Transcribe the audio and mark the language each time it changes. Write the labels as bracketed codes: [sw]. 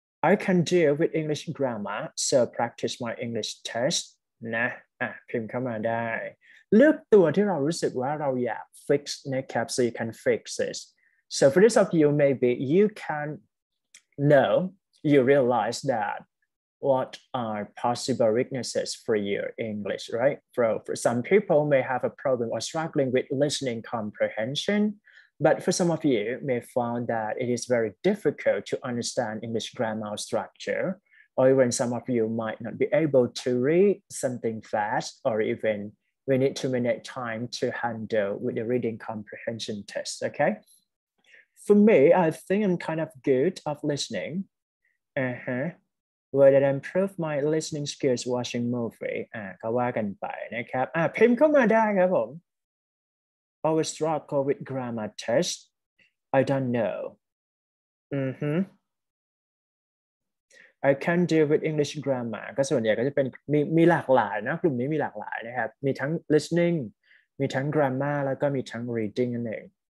[en] I can deal with English grammar so practice my English test [th] นะพิมพ์เข้ามาได้เลือกตัวที่เรารู้สึกว่าเราอยาก [en] fix [th] นะครับ [en] so you can fix it so for this of you maybe you can know you realize that what are possible weaknesses for your English, right? For some people may have a problem or struggling with listening comprehension, but for some of you may find that it is very difficult to understand English grammar structure, or even some of you might not be able to read something fast, or even we need to manage time to handle with the reading comprehension test, okay? For me, I think I'm kind of good at listening. Would it improve my listening skills watching movie? [th] ก็ว่ากันไปนะครับพิมพ์เข้ามาได้ครับผม [en] Always struggle with grammar test. I don't know. I can't deal with English grammar. [th] ก็ส่วนใหญ่ก็จะเป็นมีหลากหลายนะกลุ่มนี้มีหลากหลายนะครับมีทั้ง listening มีทั้ง grammar แล้วก็มีทั้ง reading นั่นเอง